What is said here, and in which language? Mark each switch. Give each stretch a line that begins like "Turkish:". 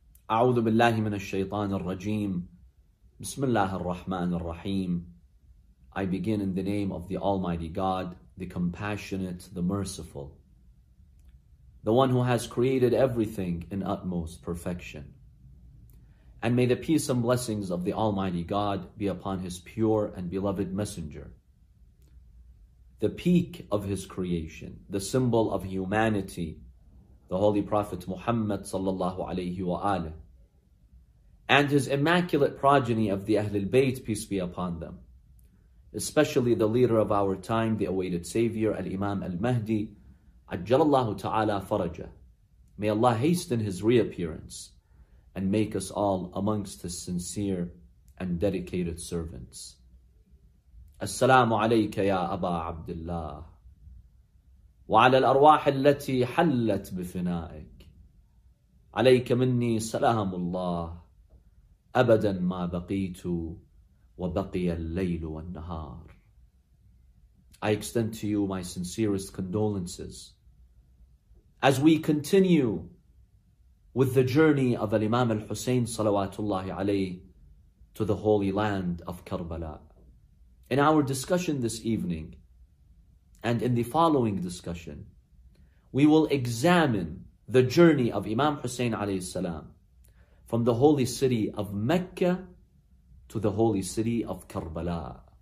Arabic: أعوذ بالله من الشيطان الرجيم. بسم الله الرحمن الرحيم.
English: I begin in the name of the Almighty God, the Compassionate, the Merciful, the one who has created everything in utmost perfection. And may the peace and blessings of the Almighty God be upon his pure and beloved messenger, the peak of his creation, the symbol of humanity, the Holy Prophet Muhammad sallallahu alayhi wa alayhi, and his immaculate progeny of the Ahlul Bayt, peace be upon them, especially the leader of our time, the awaited Savior, Al-Imam Al-Mahdi, ajjalallahu ta'ala faraja. May Allah hasten his reappearance and make us all amongst his sincere and dedicated servants.
Arabic: Assalamu alayka ya Aba Abdullah. وعلى الأرواح التي حلت بفنائك عليك مني سلام الله أبدا ما بقيت وبقي الليل والنهار.
English: I extend to you my sincerest condolences as we continue with the journey of Imam al-Husayn salawatullahi alayh to the holy land of Karbala. In our discussion this evening and in the following discussion, we will examine the journey of Imam Hussein alayhi salam from the holy city of Mecca to the holy city of Karbala.